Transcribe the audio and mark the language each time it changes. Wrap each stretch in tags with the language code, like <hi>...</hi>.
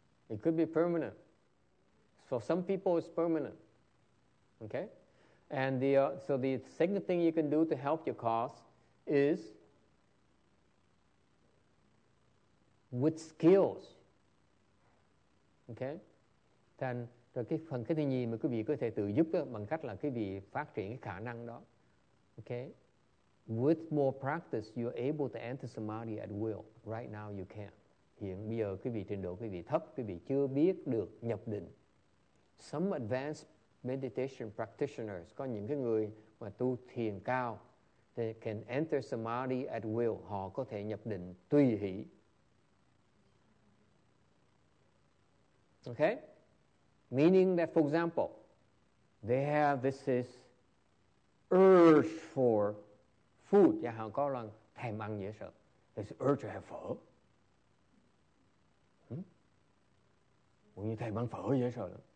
<en>It could be permanent. For some people it's permanent. Okay? And so the second thing you can do to help your cause is with skills. Okay?</en> <vi>Then rồi cái phần cái thứ nhì mà quý vị có thể tự giúp đó, bằng cách là quý vị phát triển cái khả năng đó.</vi> <en>Okay? With more practice you are able to enter samadhi at will. Right now you can't.</en> <vi>Hiện bây giờ quý vị trình độ quý vị thấp, quý vị chưa biết được nhập định.</vi> <en>Some advanced meditation practitioners,</en> <vi>có những cái người mà tu thiền cao,</vi> <en>they can enter samadhi at will.</en> <vi>Họ có thể nhập định tùy hỷ.</vi> <en>Okay? Meaning that, for example, they have this urge for food.</en> <vi>Yeah, họ có lần thèm ăn dễ sợ.</vi> <en>This urge to have phở.</en> <vi>Cũng như thèm ăn phở dễ sợ.</vi>